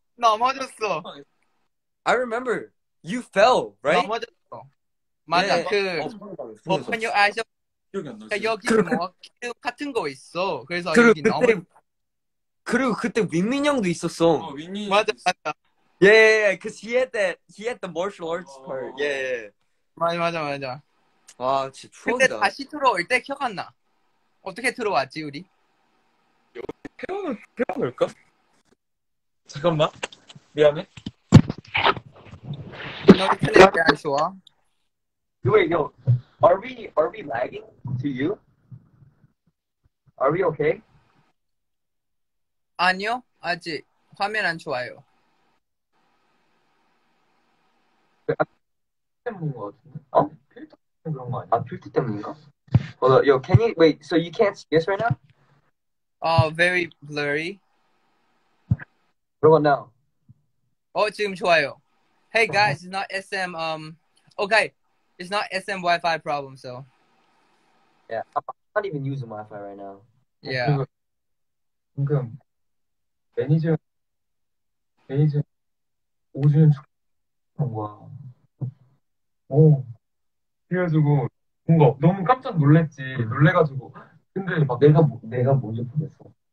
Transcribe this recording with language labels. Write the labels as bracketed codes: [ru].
[ko] 넘어졌어. [en] I remember you fell, right? [ko] 넘어졌어. 맞아 [en] yeah. 그 open your eyes. [ko] 기억이 안 나. 여기 뭐 기름 같은 거 있어. 그래서 여기 그때, 그리고 그때 윈민 형도 있었어. 윈민 맞아. [en] Yeah, cause he had the martial arts part. Yeah. [ko] 맞아. 와 진짜 추억이다. 그때 다시 들어올 때 기억 안 나. 어떻게 들어왔지 우리? 태어날까? 잠깐만 미안해. 너 인터넷이 안 좋아? [en] Wait, yo, are we lagging to you? Are we okay? [ko] 아니요 아직 화면 안 좋아요. 필터 때문인 거 같은데? 필터 때문인 거 아니야? 필터 때문인가? [en] Hold on, yo, can you wait? So you can't see us right now? Very blurry. What about now? Oh, [ko] 지금 좋아요. [en] Hey guys, it's not SM. Okay, it's not SM Wi-Fi problem. So. Yeah, I'm not even using Wi-Fi right now. Yeah. [ko] 방금 매니저 5주년 축하한 거야. 오, 그래가지고 뭔가 너무 깜짝 놀랬지. 놀래가지고. 근데 막 내가 먼저 보냈어.